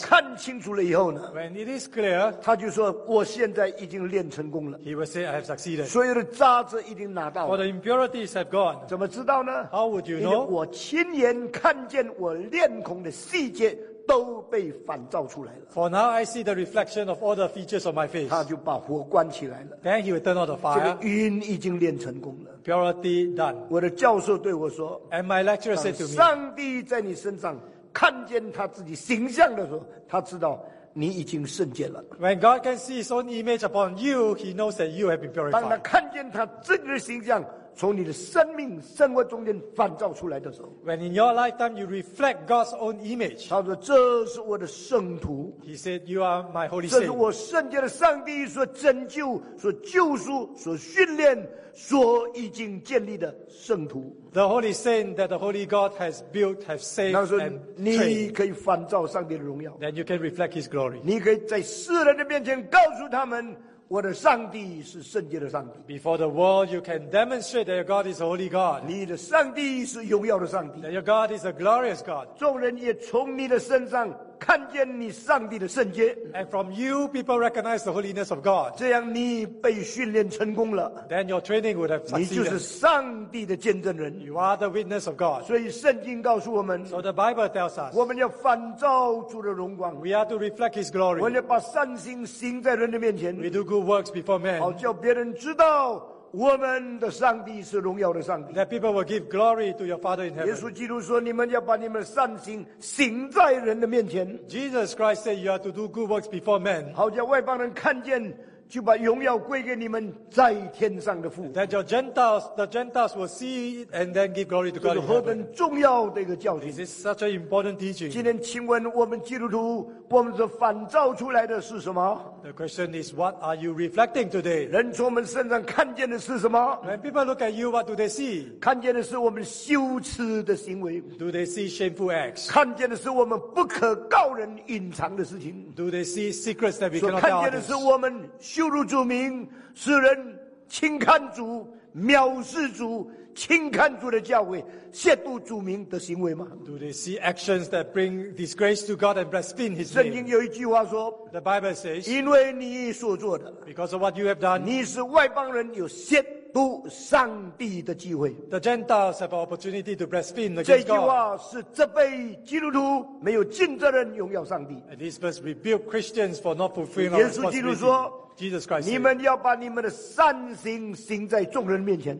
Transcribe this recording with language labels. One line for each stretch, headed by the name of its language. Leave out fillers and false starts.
Chinese: 他看清楚了以后呢，
English: When it is clear,
Chinese: 他就说我现在已经练成功了。
English: He will say, I have succeeded.
Chinese: 所有的渣子已经拿到了。
English: All the impurities have gone.
Chinese: 怎么知道呢？
English: How would you know?
Chinese: 我亲眼看见我脸孔的细节都被反照出来了。
English: For now, I see the reflection of all the features of my face.
Chinese: 他就把火关起来了。
English: Then he will turn on the fire.
Chinese: 这个云已经练成功了。
English: Purity done.
Chinese: 我的教授对我说，
English: And my lecturer said to me,
Chinese: 上帝在你身上看见他自己形象的时候，他知道你已经圣洁了。
English: When God can see his own image upon you, he knows that you have been purified.
Chinese: 当他看见他自己的形象从你的生命生活中间反照出来的时候，
English: When in your lifetime you reflect God's own image，
Chinese: 他说这是我的圣徒，
English: He said you are my holy
Chinese: saint， 这是我圣洁的上帝所拯救所救赎所训练所已经建立的圣徒。
English: The holy saint that the holy God has built, has saved and trained，
Chinese: 你可以反照上帝的荣耀，
English: Then you can reflect his glory，
Chinese: 你可以在世人的面前告诉他们我的上帝是圣洁的上帝。
English: Before the world you can demonstrate that your God is a holy God，
Chinese: 你的上帝是荣耀的上帝。
English: That your God is a glorious God，
Chinese: 众人也从你的身上看见你上帝的圣洁。
English: And from you people recognize the holiness of God，
Chinese: 这样你被训练成功了。
English: Then your training would have succeeded，
Chinese: 你就是上帝的见证人。
English: You are the witness of God，
Chinese: 所以圣经告诉我们，
English: So the Bible tells us，
Chinese: 我们要反照主的荣光。
English: We are to reflect his glory，
Chinese: 我们要把善行行在人的面前。
English: We do good works before men，
Chinese: 好叫别人知道我们的上帝是荣耀的上帝。
English: That people will give glory to your Father in heaven。
Chinese: 耶稣基督说你们要把你们的善行行在人的面前。
English: Jesus Christ said you are to do good works before men，
Chinese: 好叫外邦人看见就把荣耀归给你们在天上的父。
English: That your Gentiles, the Gentiles will see it and then give glory to God in heaven。
Chinese: 这是何等重要的一个教训。
English: This is such an important teaching。
Chinese: 今天请问我们基督徒，我们所反照出来的是什么？
English: The question is what are you reflecting today？
Chinese: 人从我们身上看见的是什么？
English: When people look at you, what do they see？
Chinese: 看见的是我们羞耻的行为。
English: Do they see shameful acts？
Chinese: 看见的是我们不可告人隐藏的事情。
English: Do they see secrets that we cannot tell？
Chinese: 看见的是我们羞辱主名，使人轻看主，藐视主，轻看主的教诲，亵渎主名的行为吗？
English: Do they see actions that bring disgrace to God and blaspheme his name？
Chinese: 圣经有一句话说，
English: The Bible says，
Chinese: 因为你所做的，
English: Because of what you have done，
Chinese: 你是外邦人有亵渎上帝的机会。
English: The Gentiles have an opportunity to blaspheme against
Chinese: God。 这句话是这辈基督徒没有尽责任荣耀上帝。
English: And this verse rebuke Christians for not fulfilling our responsibility。
Chinese: 耶稣基督说
English: Jesus Christ，
Chinese: 你们要把你们的善行行在众人面前。